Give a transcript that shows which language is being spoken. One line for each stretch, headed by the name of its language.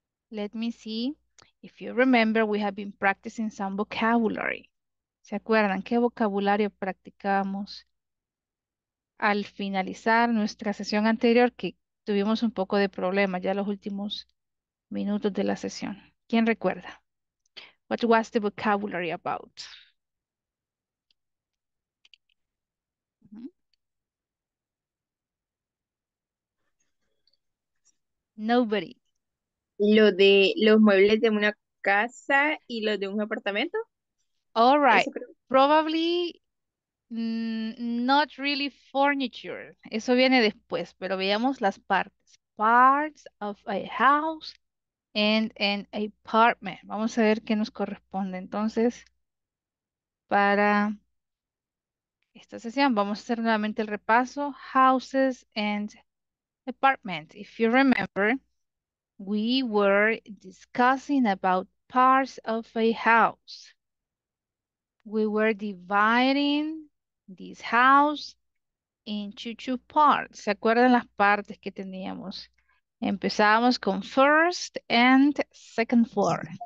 English: Let me see if you remember, we have been practicing some vocabulary.
Spanish: ¿Se acuerdan qué vocabulario practicamos al finalizar nuestra sesión anterior? Que tuvimos un poco de problema ya los últimos minutos de la sesión. ¿Quién recuerda?
English: What was the vocabulary about? Nobody.
Spanish: Lo de los muebles de una casa y lo de un apartamento.
English: All
Spanish: Eso
English: right.
Spanish: creo.
English: Probably not really furniture.
Spanish: Eso viene después, pero veamos las partes.
English: Parts of a house. And an apartment.
Spanish: Vamos a ver qué nos corresponde. Entonces, para esta sesión, vamos a hacer nuevamente el repaso.
English: Houses and apartment. If you remember, we were discussing about parts of a house. We were dividing this house into two parts.
Spanish: ¿Se acuerdan las partes que teníamos? Empezamos con
English: first and second floor.